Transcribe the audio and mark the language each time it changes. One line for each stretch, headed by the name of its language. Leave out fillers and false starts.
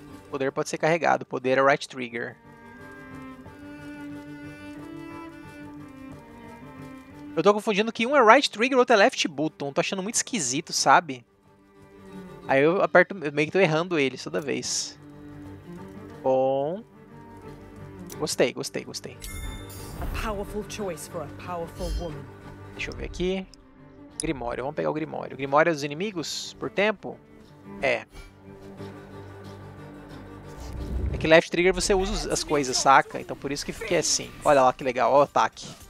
Portuguese: Poder pode ser carregado. Poder é Right Trigger. Eu tô confundindo que um é Right Trigger e o outro é Left Button. Tô achando muito esquisito, sabe? Aí eu aperto, meio que tô errando eles toda vez. Gostei, gostei, gostei.
English: A powerful choice for a powerful woman.
Portuguese: Deixa eu ver aqui. Grimório, vamos pegar o Grimório. Grimório é dos inimigos por tempo? É. É que left trigger você usa as coisas, saca? Então por isso que fica assim. Olha lá que legal, olha o ataque.